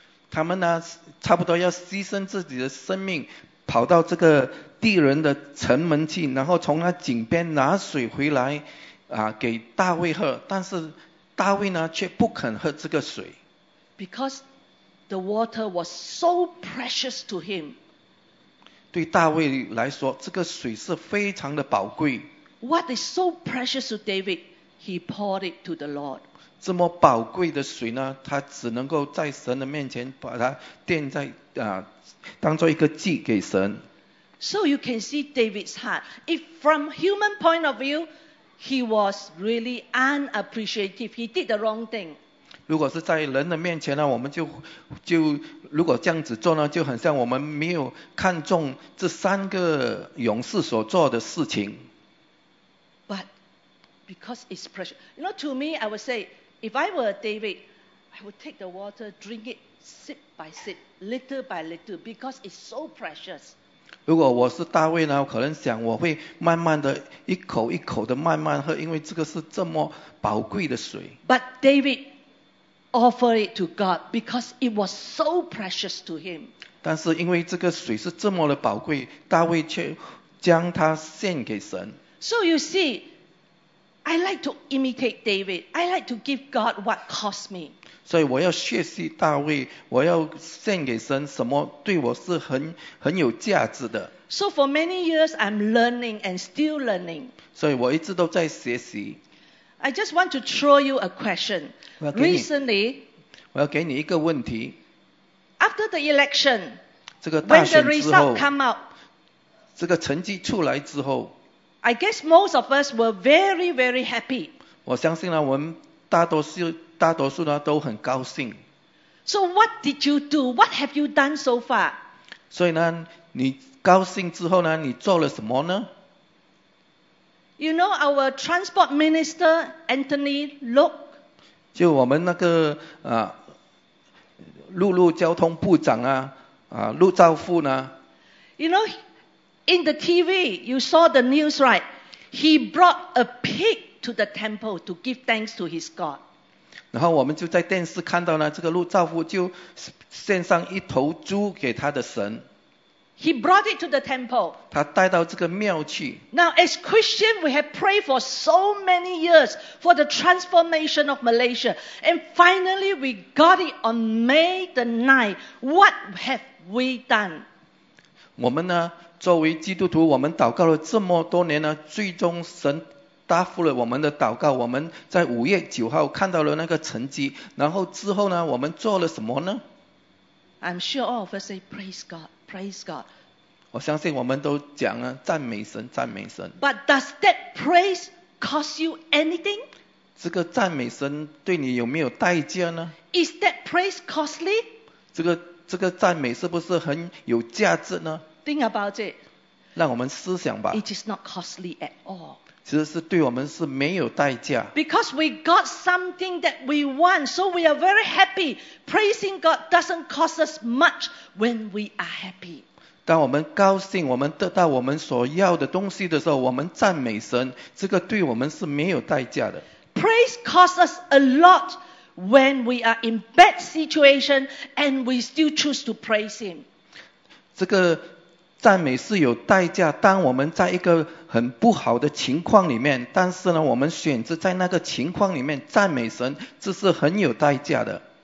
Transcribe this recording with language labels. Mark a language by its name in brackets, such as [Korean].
[Chinese] 他们呢, 差不多要牺牲自己的生命, 跑到这个敌人的城门去, 然后从那井边拿水回来, 啊, 给大卫喝, 但是大卫呢, 却不肯喝这个水。 [English] Because the water was so precious to him. [Chinese] 对大卫来说, 这个水是非常的宝贵。 [English] What is so precious to David? He poured it to the Lord. [Chinese] 这么宝贵的水呢, 他只能够在神的面前把它奠在, 啊, 当作一个祭给神。 [English] So you can see David's heart. If from human point of view, he was really unappreciative. He did the wrong thing. [Chinese] 如果是在人的面前呢, 我们就, 如果这样子做呢, 就很像我们没有看重这三个勇士所做的事情。 [English] But because it's precious. You know, to me, I would say, if I were David, I would take the water, drink it sip by sip, little by little, because it's so precious. [Chinese] 如果我是大卫呢, 可能想我会慢慢的一口一口的慢慢喝, 因为这个是这么宝贵的水。 [English] But David offered it to God because it was so precious to him. [Chinese] 但是因为这个水是这么的宝贵, 大卫却将它献给神。 [English] So you see, I like to imitate David. I like to give God what cost me. [Chinese] 所以我要学习大卫, 我要献给神什么对我是很有价值的。 [English] So for many years, I'm learning and still learning. [Chinese] 所以我一直都在学习。 [English] I just want to throw you a question. [Chinese] 我要给你, [English] Recently, [Chinese] 我要给你一个问题。 [English] After the election, [Chinese] 这个大选之后, [English] when the result come out, [Chinese] 这个成绩出来之后, [English] I guess most of us were very, very happy. [Chinese] 我相信呢, 我们大多数呢, 都很高兴。 [English] So what did you do? What have you done so far? [Chinese] 所以呢, 你高兴之后呢, 你做了什么呢? [English] You know, our transport minister, Anthony Lok, [Chinese] 就我们那个, 啊, 陆路交通部长啊, 啊, 陆兆富呢, [English] You know, in the TV, you saw the news, right? He brought a pig to the temple to give thanks to his God. [Chinese] 然后我们就在电视看到呢, 这个陆兆富就献上一头猪给他的神。 [English] He brought it to the temple. [Chinese] 他带到这个庙去。 [English] Now, as Christians, we have prayed for so many years for the transformation of Malaysia. And finally, we got it on May the 9th. What have we done? [Chinese] 我们呢, 作为基督徒, 我们祷告了这么多年呢, 最终神答复了我们的祷告, 我们在5月9号 看到了那个成绩, 然后之后呢, 我们做了什么呢? [English] I'm sure all of us say, praise God, praise God. [Chinese] 我相信我们都讲了, 赞美神, 赞美神。 [English] But does that praise cost you anything? [Chinese] 这个赞美神对你有没有代价呢? [English] Is that praise costly? [Chinese] 这个赞美是不是很有价值呢? [English] Think about it. [Chinese] 让我们思想吧, [English] it is not costly at all. [Chinese] 其实是对我们是没有代价, [English] because we got something that we want, so we are very happy. Praising God doesn't cost us much when we are happy. [Chinese] 当我们高兴, 我们得到我们所要的东西的时候, 我们赞美神, 这个对我们是没有代价的。 [English] Praise costs us a lot when we are in bad situation and we still choose to praise Him. [Chinese] 这个 赞美是有代价, 当我们在一个很不好的情况里面, 但是呢, 我们选择在那个情况里面赞美神, 这是很有代价的。